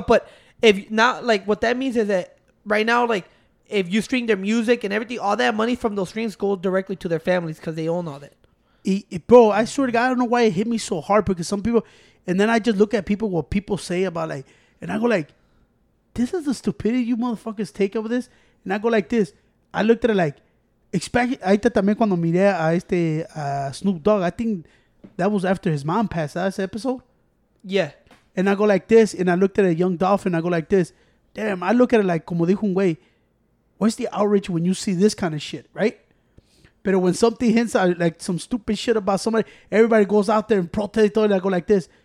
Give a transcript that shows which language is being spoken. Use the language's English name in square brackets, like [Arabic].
[English] But, if now, like, what that means is that right now, like, if you stream their music and everything, all that money from those streams goes directly to their families because they own all that. Bro, I swear to God, I don't know why it hit me so hard because some people, and then I just look at people, what people say about, like, and I go, like, this is the stupidity you motherfuckers take over this. And I go like this. I looked at it like, expect. [Spanish] I también cuando miré a este Snoop Dogg. [English] I think that was after his mom passed. That's the episode. Yeah. And I go like this. And I looked at a Young Dolph. And I go like this. Damn. I look at it like, [Spanish] como dijo un güey, [English] what's the outrage when you see this kind of shit, right? But when something hints at like some stupid shit about somebody, everybody goes out there and protest and go like this.